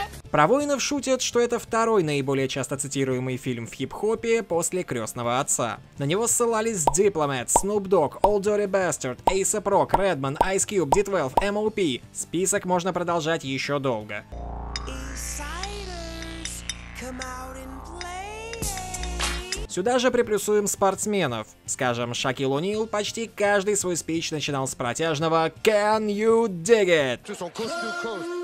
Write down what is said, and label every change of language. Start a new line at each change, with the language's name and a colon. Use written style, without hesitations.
Russian: Про воинов шутят, что это второй наиболее часто цитируемый фильм в хип-хопе после «Крестного отца». На него ссылались Diplomat, Snoop Dogg, Old Dirty Bastard, A$AP Rock, Redman, Ice Cube, D12, M.O.P. Список можно продолжать еще долго. Сюда же приплюсуем спортсменов. Скажем, Шакил О'Нил почти каждый свой спич начинал с протяжного
English: «Can you dig it?».